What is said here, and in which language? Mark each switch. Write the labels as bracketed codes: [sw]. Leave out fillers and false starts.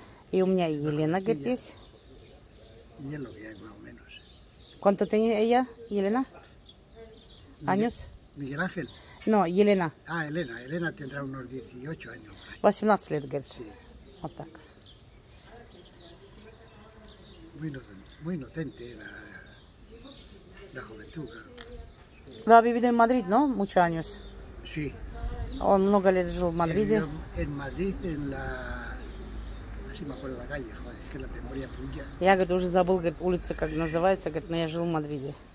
[ru] И у меня Елена, говорит, есть. [es] Y es lo que hay, más o menos. ¿Cuánto tiene ella, Елена? Años? Miguel Ángel. No, Елена. А, Елена. Елена tendrá unos 18 años. [ru] 18 лет, говорит. [es] Sí. [ru] Вот так. [es] Muy inocente la juventud. Lo ha vivido en Madrid, ¿no? Muchos años. Sí. [ru] Он много лет жил в Мадриде. [es] En Madrid, en la... Así me acuerdo la calle, joder, que la memoria puya. [ru] Я, говорит, уже забыл, говорит, улица как называется, говорит, но я жил в Мадриде.